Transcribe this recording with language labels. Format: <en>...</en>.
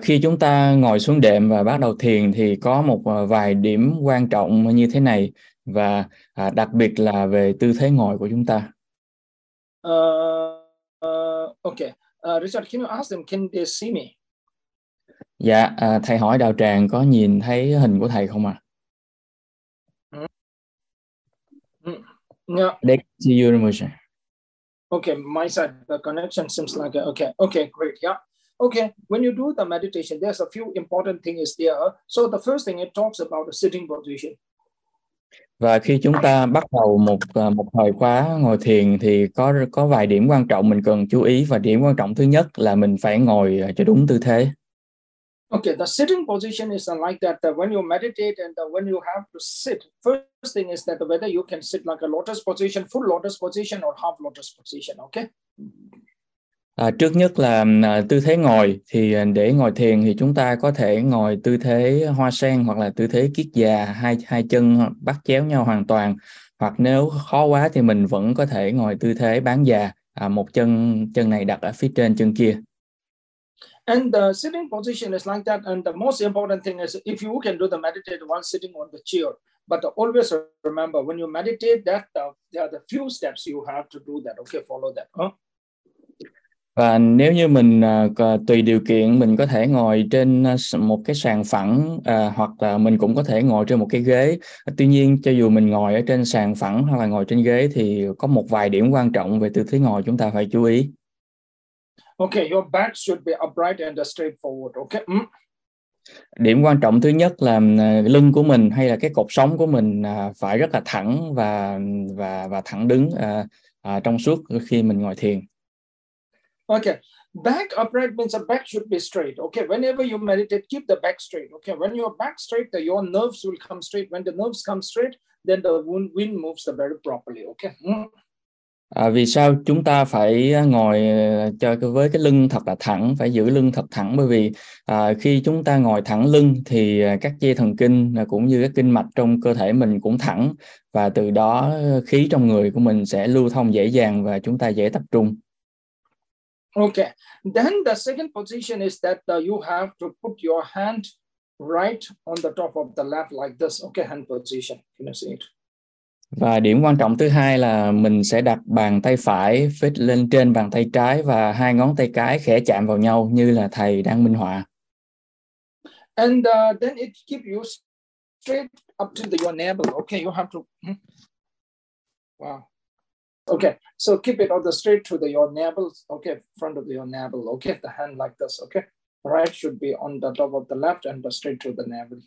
<vi>Khi chúng ta ngồi xuống đệm và bắt đầu thiền thì có một vài điểm quan trọng như thế này, và đặc biệt là về tư thế ngồi của chúng ta.</vi> <en>Okay. Richard, can you ask them, can they see me?</en> <vi>Dạ, thầy hỏi đạo tràng có nhìn thấy hình của thầy không ạ?</vi> <en>No. They can see you, Richard. Okay, my side, the connection seems like, okay, okay, great, yeah. Okay, when you do the meditation, there's a few important things is there. So the first thing, it talks about the sitting position.</en> <vi>Và khi chúng ta bắt đầu một thời khóa ngồi thiền thì có vài điểm quan trọng mình cần chú ý, và điểm quan trọng thứ nhất là mình phải ngồi cho đúng tư thế.</vi> <en>Okay, the sitting position is like that, that when you meditate and when you have to sit, first thing is that whether you can sit like a lotus position, full lotus position or half lotus position, okay?</en> <vi>Trước nhất là tư thế ngồi, thì để ngồi thiền thì chúng ta có thể ngồi tư thế hoa sen hoặc là tư thế kiết già, hai chân bắt chéo nhau hoàn toàn, hoặc nếu khó quá thì mình vẫn có thể ngồi tư thế bán già, một chân này đặt ở phía trên chân kia.</vi> <en>And the sitting position is like that, and the most important thing is if you can do the meditate while sitting on the chair, but always remember when you meditate that there are the few steps you have to do that, okay, follow that, huh?</en> <vi>Và nếu như mình tùy điều kiện, mình có thể ngồi trên một cái sàn phẳng hoặc là mình cũng có thể ngồi trên một cái ghế. Tuy nhiên, cho dù mình ngồi ở trên sàn phẳng hoặc là ngồi trên ghế thì có một vài điểm quan trọng về tư thế ngồi chúng ta phải chú ý.</vi> <en>Okay, your back should be upright and straightforward, okay? Mm.</en> <vi>Điểm quan trọng thứ nhất là lưng của mình hay là cái cột sống của mình phải rất là thẳng và thẳng đứng trong suốt khi mình ngồi thiền.</vi> <en>Okay, back upright means the back should be straight. Okay, whenever you meditate, keep the back straight. Okay, when your back straight, your nerves will come straight. When the nerves come straight, then the wind moves very properly, okay?</en> <vi>À, vì sao chúng ta phải ngồi cho với cái lưng thật là thẳng, phải giữ lưng thật thẳng, bởi vì khi chúng ta ngồi thẳng lưng thì các dây thần kinh cũng như các kinh mạch trong cơ thể mình cũng thẳng, và từ đó khí trong người của mình sẽ lưu thông dễ dàng và chúng ta dễ tập trung.</vi> <en>Okay, then the second position is that you have to put your hand right on the top of the lap like this. Okay, hand position. Can you see it?</en> <vi>Và điểm quan trọng thứ hai là mình sẽ đặt bàn tay phải phết lên trên bàn tay trái và hai ngón tay cái khẽ chạm vào nhau như là thầy đang minh họa.</vi> <en>And then it keeps you straight up to your navel. Okay, you have to. Wow. Okay, so keep it on the straight to the, your navel. Okay, front of your navel. Okay, the hand like this. Okay, right should be on the top of the left and the straight to the navel.</en>